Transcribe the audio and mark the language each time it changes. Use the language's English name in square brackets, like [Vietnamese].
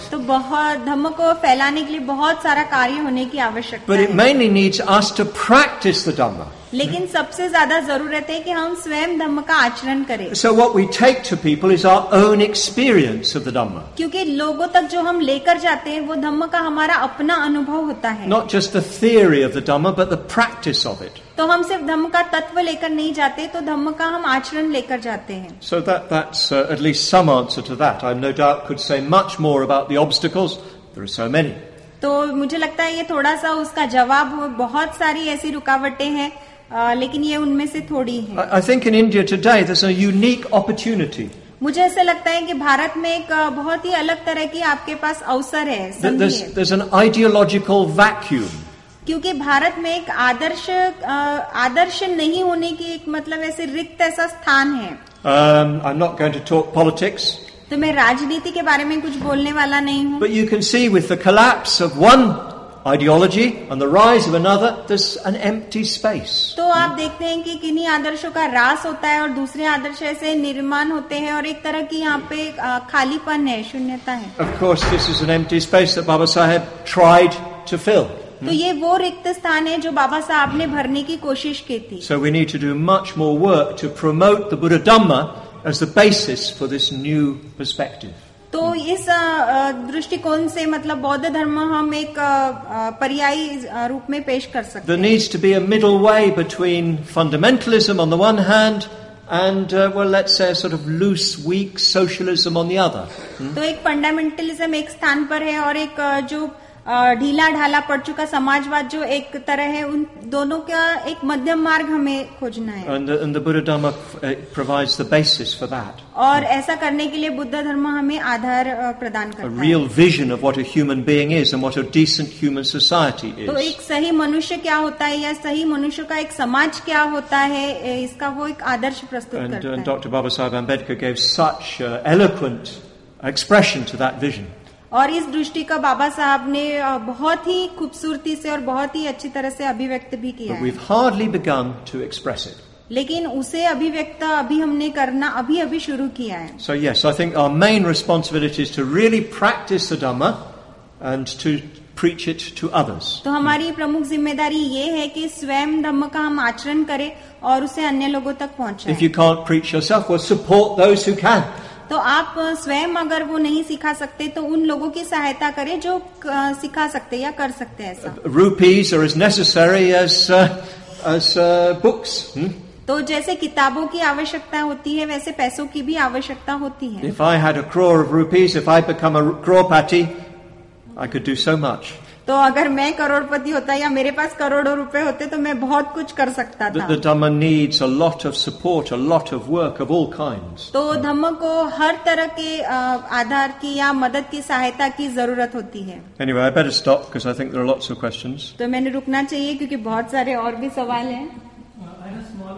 [Hindi] तो बहुत धम्म को फैलाने के लिए बहुत सारा कार्य होने की आवश्यकता है. [English] But it mainly needs us to practice the Dhamma. [Hindi] लेकिन सबसे ज्यादा जरूरत है कि हम स्वयं धम्म का आचरण करें. [English] So what we take to people is our own experience of the Dhamma. [Hindi] क्योंकि लोगों तक जो हम लेकर जाते हैं वो धम्म का हमारा अपना अनुभव होता है. [English] Not just the theory of the Dhamma, but the practice of it. [Hindi] तो हम सिर्फ धम्म का तत्व लेकर नहीं जाते तो धम्म का हम आचरण लेकर जाते हैं. [English] So that's at least some answer to that. I no doubt could say much more about the obstacles. There are so many. [Hindi] तो मुझे लगता है ये थोड़ा सा उसका जवाब हो. बहुत सारी ऐसी रुकावटें हैं लेकिन ये उनमें से थोड़ी है. [English] I think in India today there's a unique opportunity. [Hindi] मुझे ऐसे लगता है कि भारत में एक बहुत ही अलग तरह की आपके पास अवसर है. [English] There's an ideological vacuum. [Hindi] क्योंकि भारत में एक आदर्श नहीं होने की एक मतलब ऐसे रिक्त ऐसा स्थान है. [English] I'm not going to talk politics. [Hindi] तो मैं राजनीति के बारे में कुछ बोलने वाला नहीं हूँ. [English] But you can see with the collapse of one ideology and the rise of another, there's an empty space. [Hindi] तो आप देखते हैं कि किन्हीं आदर्शों का रास होता है और दूसरे आदर्श ऐसे निर्माण होते हैं और एक तरह की यहाँ पे खालीपन है, शून्यता है. [English] Of course, this is an empty space that Baba Sahib tried to fill. [Hindi] तो ये वो रिक्त स्थान है जो बाबा साहब ने भरने की कोशिश की थी. [English] So we need to do much more work to promote the Buddha Dhamma as the basis for this new perspective. [Hindi] तो इस दृष्टिकोण से मतलब बौद्ध धर्म हम एक पर्यायी रूप में पेश कर सकते हैं. [English] There needs to be a middle way between fundamentalism on the one hand and let's say a sort of loose weak socialism on the other. [Hindi] तो एक फंडामेंटलिज्म एक स्थान पर है और एक जो ढीला ढाला पड़ चुका समाजवाद जो एक तरह है उन दोनों का एक मध्यम मार्ग हमें खोजना है. [English] And the Buddha Dhamma provides the basis for that. [Hindi] और ऐसा करने के लिए बुद्ध धर्म हमें आधार प्रदान करता है. [English] A real vision of what a human being is and what a decent human society is. [Hindi] तो एक सही मनुष्य क्या होता है या सही मनुष्य का एक समाज क्या होता है इसका वो एक आदर्श प्रस्तुत करता है. [English] And Dr. Babasaheb Ambedkar gave such eloquent expression to that vision. [Hindi] और इस दृष्टि का बाबा साहब ने बहुत ही खूबसूरती से और बहुत ही अच्छी तरह से अभिव्यक्त भी किया. [English] But we've hardly begun to express it. [Hindi] लेकिन उसे अभिव्यक्त अभी हमने करना अभी शुरू किया है. [English] So yes, I think our main responsibility is to really practice the Dhamma and to preach it to others. [Hindi] तो हमारी प्रमुख जिम्मेदारी ये है कि स्वयं धम्म का हम आचरण करें और उसे अन्य लोगों तक पहुंचाएं. [English] If you can't preach yourself, well, support those who can. [Hindi] तो आप स्वयं अगर वो नहीं सिखा सकते तो उन लोगों की सहायता करें जो सिखा सकते या कर सकते हैं ऐसा. [English] Rupees are as necessary as books. [Hindi] तो जैसे किताबों की आवश्यकता होती है वैसे पैसों की भी आवश्यकता होती है. [English] If I had a crore of rupees, if I become a crorepati, I could do so much. [Hindi] तो अगर मैं करोड़पति होता या मेरे पास करोड़ों रुपए होते तो मैं बहुत कुछ कर सकता था. [English] The dhamma needs a lot of support, a lot of work of all kinds. [Hindi] तो धम्म को हर तरह के आधार की या मदद की सहायता की जरूरत होती है. [English] Anyway, I better stop because I think there are lots of questions. [Hindi] तो मैंने रुकना चाहिए क्योंकि बहुत सारे और भी सवाल हैं.